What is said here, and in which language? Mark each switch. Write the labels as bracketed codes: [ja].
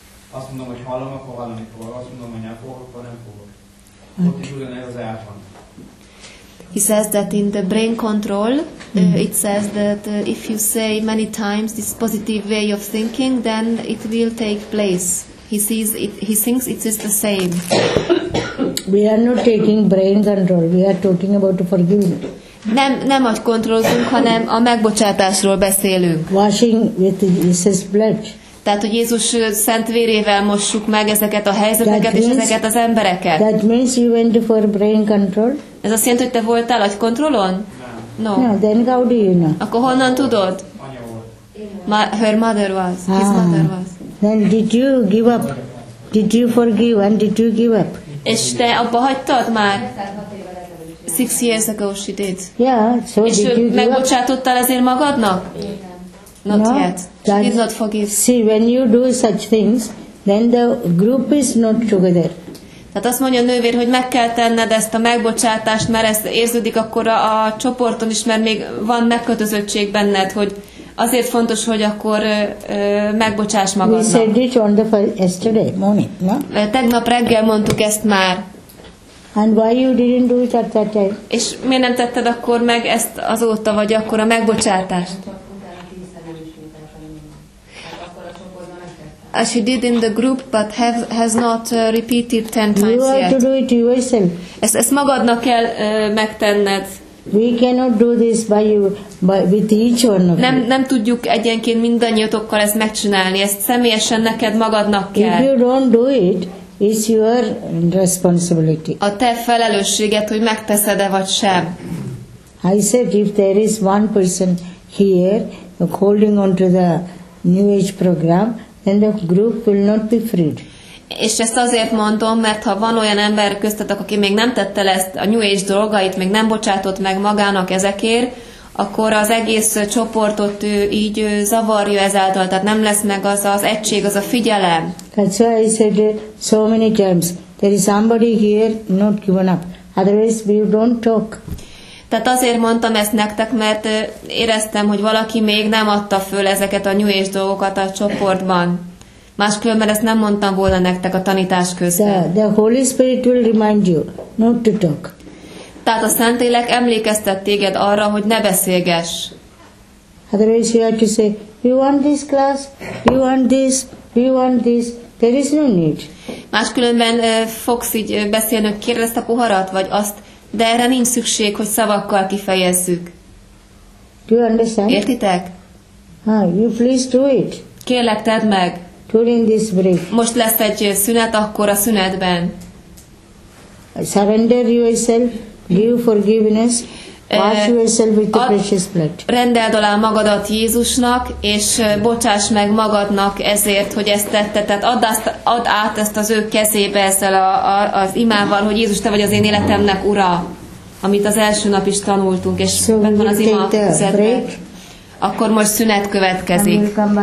[hu] Azt mondom, hogy hallom, akkor valami fogok. Azt mondom, hogy nem fogok, akkor nem fogok. [en] Okay. He says that in the brain control, it says that if you say many times this positive way of thinking, then it will take place. He sees it, he thinks it is the same. We are not taking brain control, we are talking about forgiveness. [hu] Nem agy kontrollunk, hanem a megbocsátásról beszélünk. [en] Washing with Jesus' blood. [hu] Tehát, hogy Jézus szent vérével mossuk meg ezeket a helyzeteket [en] means, [hu] és ezeket az embereket. [en] That means you went for brain control? [hu] Ez azt jelenti, hogy te voltál agykontrollon? [en] No. No. Then how do you know? [hu] Akkor honnan tudod? [en] Her mother was. Ah. His mother was. Then did you give up? Did you forgive and did you give up? [hu] És te abba hagytad már? [en] 6 years ago she did. Yeah, so [hu] és [en] did you give up? [hu] És megbocsátottál ezért magadnak? [en] Not no, yet. She did not forgive. See, when you do such things, then the group is not together. [hu] Tehát azt mondja a nővér, hogy meg kell tenned ezt a megbocsátást, mert ez érződik akkor a csoporton is, mert még van megkötözöttség benned, hogy azért fontos, hogy akkor megbocsáss magadnak. [en] We said it on the yesterday morning, no? [hu] Tegnap reggel mondtuk ezt már. [en] And why you didn't do it at that time? [hu] És miért nem tetted akkor meg ezt azóta, vagy akkor a megbocsátást? [en] As she did in the group, but has not repeated 10 times you yet. You have to do it yourself. [hu] Ezt magadnak kell megtenned. [en] We cannot do this by you, by with each one of [hu] nem, [en] you. [hu] Nem tudjuk egyenként mindannyiatokkal ezt megcsinálni. Ezt személyesen neked magadnak kell. [en] If you don't do it, it's your responsibility. [hu] A te felelősséged, hogy megteszed-e vagy sem. [en] I said if there is one person here holding on to the New Age program, then the group will not be freed. [hu] És ezt azért mondom, mert ha van olyan ember köztetek, aki még nem tette le ezt a New Age dolgait, még nem bocsátott meg magának ezekért, akkor az egész csoportot így zavarja ezáltal, tehát nem lesz meg az az egység, az a figyelem. [en] That's why I said so many times, there is somebody here not given up, otherwise we don't talk. [hu] Tehát azért mondtam ezt nektek, mert éreztem, hogy valaki még nem adta föl ezeket a New Age dolgokat a csoportban. Máskülönben ezt nem mondtam volna nektek a tanítás közben. [en] The Holy Spirit will remind you not to talk. [hu] Tehát a Szentlélek emlékeztet téged arra, hogy ne beszélgess. [en] Otherwise you have to say, you want this class? You want this? You want this? There is no need. [hu] Máskülönben fogsz így beszélni, hogy kérd ezt a poharat, vagy azt, de erre nincs szükség, hogy szavakkal kifejezzük. [en] Do you understand? [hu] Értitek? [en] You please do it. [hu] Kérlek, tedd meg. [en] During this break. [hu] Most lesz egy szünet, akkor a szünetben. [en] Surrender yourself, give forgiveness, wash yourself with the precious blood. [hu] Rendeld alá magadat Jézusnak, és bocsáss meg magadnak ezért, hogy ezt tette. Tehát add át ezt az ő kezébe ezzel az imával, hogy Jézus, te vagy az én életemnek ura, amit az első nap is tanultunk, és [en] so [hu] meg van az ima közöttben. Akkor most szünet következik.